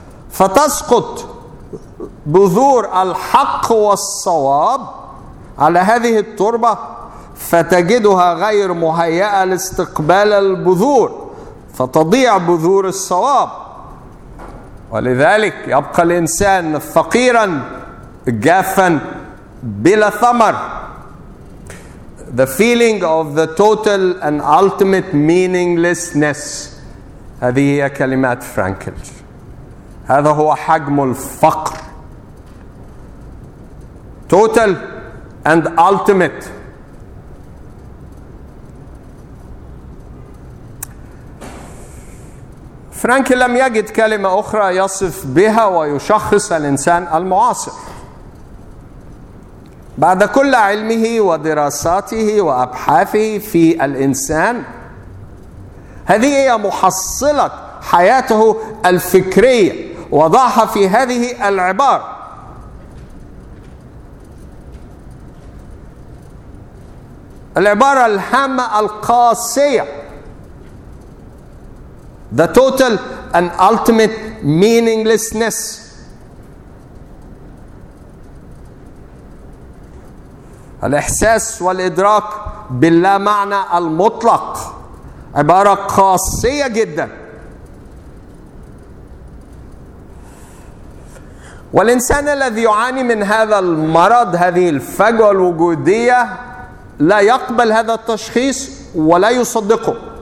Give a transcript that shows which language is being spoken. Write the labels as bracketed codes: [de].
[ar] فتسقط بذور الحق والصواب على هذه التربة فتجدها غير مهيئة لاستقبال البذور، فتضيع بذور الصواب، ولذلك يبقى الإنسان فقيرا جافا بلا ثمر. [en] The feeling of the total and ultimate meaninglessness. [ar] هذه هي كلمات فرانكل. هذا هو حجم الفقر. [en] Total and ultimate. [ar] فرانكل لم يجد كلمة أخرى يصف بها ويشخص الإنسان المعاصر. بعد كل علمه ودراساته وأبحاثه في الإنسان، هذه هي محصلة حياته الفكرية، وضعها في هذه العبارة. العبارة الهامة القاسية: [en] The total and ultimate meaninglessness. [ar] الإحساس والإدراك باللا معنى المطلق، عبارة قاسية جدا. والإنسان الذي يعاني من هذا المرض، هذه الفجوة الوجودية، لا يقبل هذا التشخيص ولا يصدقه.